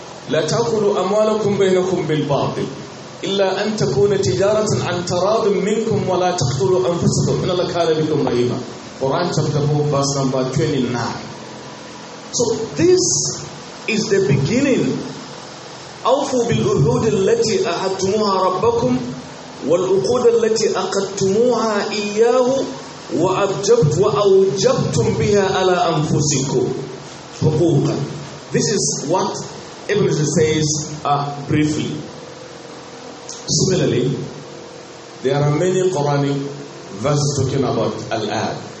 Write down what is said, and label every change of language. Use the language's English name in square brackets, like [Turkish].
[Arabic] لا تأكلوا أموالكم بينكم بالباطل إلا أن تكون تجارة عن تراض منكم ولا تقتلوا أنفسكم إن الله كان بكم رحيما. [English] Quran chapter 4 verse number 29. So this is the beginning. [Arabic] أوفوا بالعهود التي أعهدتموها ربكم والعقود التي عقدتموها إياه وأوجبتم بها على أنفسكم حقوقا. [English] This is what Ibn Jarir says briefly. Similarly, there are many Quranic verses talking about Al-Ahd.